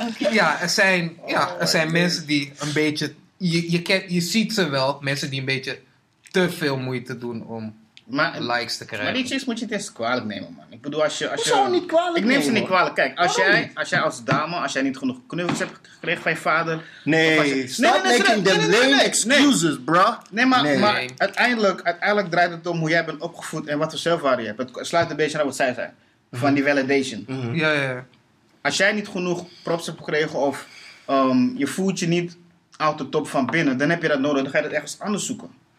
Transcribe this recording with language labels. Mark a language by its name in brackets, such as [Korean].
[Dutch] Maar, er zijn mensen die een beetje... Je ziet ze wel, mensen die een beetje te veel moeite doen om likes te krijgen. Maar die chicks moet je het eerst kwalijk nemen, man. Ik bedoel, als je hoezo niet kwalijk nemen? Ik neem ze niet kwalijk. Kijk, als jij als dame niet genoeg knuffels hebt gekregen van je vader... [English] Stop making them lame excuses, bro. [Dutch] Uiteindelijk draait het om hoe jij bent opgevoed en wat voor zelfwaarde je hebt. Het sluit een beetje aan wat zij zei. Mm-hmm. Van die validation. Mm-hmm. Ja. Als jij niet genoeg props hebt gekregen of je voelt je niet [English] out the top [Dutch] van binnen, dan heb je dat nodig. Dan ga je dat ergens anders zoeken.